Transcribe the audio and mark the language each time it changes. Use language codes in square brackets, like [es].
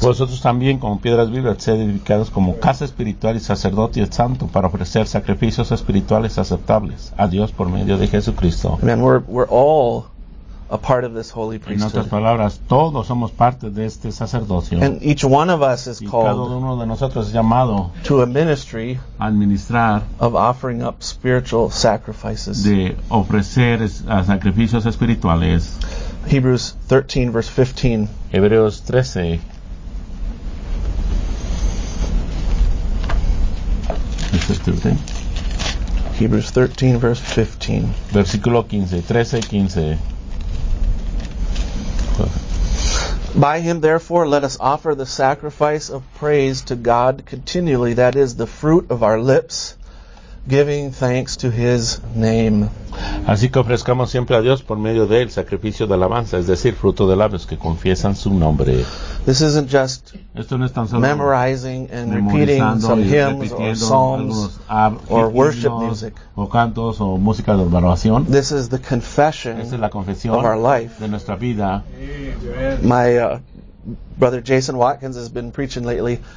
[es] Vosotros también, como piedras vivas, sed edificados como casa espiritual y sacerdote y santo para ofrecer sacrificios espirituales aceptables a Dios por medio de Jesucristo. Amen. [en] We're all a part of this holy priesthood. [es] En otras palabras, todos somos parte de este sacerdocio. [en] And each one of us is called. [es] Y cada uno de nosotros es llamado [en] to a ministry [es] administrar [en] of offering up spiritual sacrifices. [es] De ofrecer sacrificios espirituales. [en] Hebrews 13 verse 15. [es] Hebreos 13. [en] Hebrews 13 verse 15. [es] Versículo 15. 13:15. [en] By him, therefore, let us offer the sacrifice of praise to God continually, that is, the fruit of our lips, giving thanks to his name. [es] Así que ofrezcamos siempre a Dios por medio de él sacrificio de alabanza, es decir, fruto de labios que confiesan su nombre. [en] This isn't just [es] esto no es tan solo [en] memorizing and repeating some hymns or psalms or worship music. [es] O cantos o música de adoración. [en] This is the confession [es] esta es la confesión [en] of our life. [es] De nuestra vida. [en] My brother Jason Watkins has been preaching lately.